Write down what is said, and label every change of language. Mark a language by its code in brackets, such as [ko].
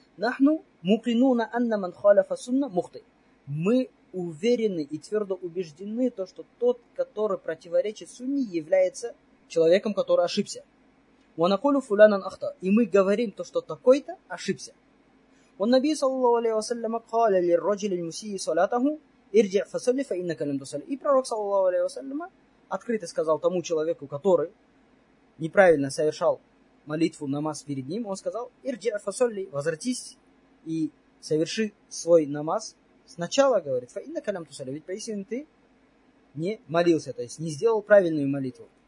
[ar] «Нахну мукинуна анна ман халафа сунна мухты». [ru] Мы уверены и твердо убеждены, то, что тот, который противоречит сунне, является человеком, который ошибся. [ar] «Ванакулу фулянан ахта». [ru] И мы говорим то, что такой-то ошибся. [ar] والنبي صلى الله عليه وسلم قال للرجل المسيء صلاته ارجع فصلي فإنك لم تصل. [ru] И пророк صلى الله عليه وسلم открыто сказал тому человеку, который неправильно совершал молитву, намаз перед ним, он сказал [ar] ارجع فصلي, [ru] возвратись и соверши свой намаз сначала, говорит, [ar] فإنك لم تصل, [ru] ведь поистине ты не молился, то есть не сделал правильную молитву.